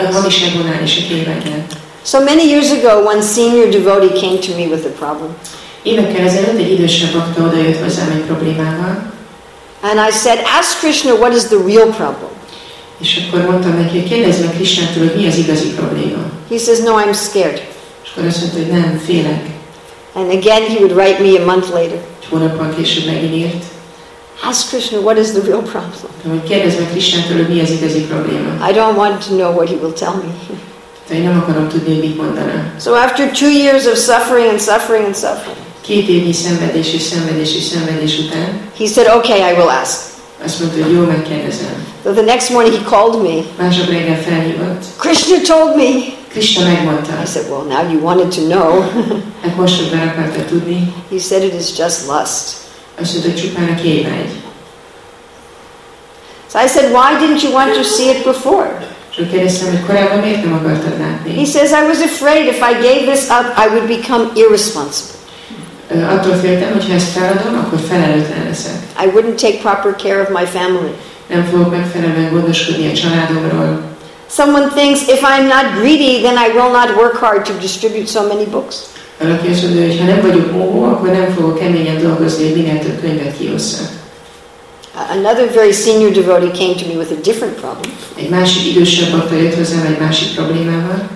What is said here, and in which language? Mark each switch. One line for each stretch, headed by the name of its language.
Hungarian: A hamis egónál és a kéványnál.
English: So many years ago, one senior devotee came to me with a problem.
Hungarian: Évekkel ezelőtt egy idősebb bakta odajött hozzám egy problémával.
English: And I said, ask Krishna, what is the real problem?
Hungarian: És akkor mondtam neki, hogy kérdezz meg Krishnától, hogy mi az igazi probléma.
English: He says, no, I'm scared.
Hungarian: És akkor azt mondta, hogy nem, félek.
English: And again, he would write me a month later.
Hungarian: Hónapban később megint.
English: Ask Krishna, what is the real problem?
Hungarian: Kérdezz meg Krishnától, hogy mi az igazi probléma.
English: I don't want to know what he will tell me.
Hungarian: Én nem akarom tudni, mit mondaná.
English: So after 2 years of suffering and suffering and suffering.
Hungarian: Két évnyi szenvedés és szenvedés és szenvedés után.
English: He said, okay, I will ask.
Hungarian: Azt mondta, hogy jó, megkérdezem.
English: So the next morning he called me.
Hungarian: Másnap reggel felhívott.
English: Krishna told me.
Hungarian: Krishna megmondta.
English: I said, well, now you wanted to know.
Hungarian: Hát most, hogy meg akarta tudni.
English: He said, it is just lust.
Hungarian: Azt mondta, csupán a kémágy.
English: So I said, why didn't you want to see it before?
Hungarian: Csak kérdeztem, hogy korábban miért nem akartad látni?
English: He says, I was afraid if I gave this up, I would become irresponsible.
Hungarian: Attól féltem, hogy ha ezt feladom, akkor felelőtlen leszek.
English: I wouldn't take proper care of my family.
Hungarian: Nem fogok megfelelően gondoskodni a családomról.
English: Someone thinks if I'm not greedy, then I will not work hard to distribute so many books.
Hungarian: Valaki azt mondja, hogy ha nem vagyok óvó, akkor nem fogok keményen dolgozni, hogy minél több könyvet kiosszak.
English: Another very senior devotee came to me with a different problem.
Hungarian: Egy másik idősebb bakta jött hozzám egy másik problémával.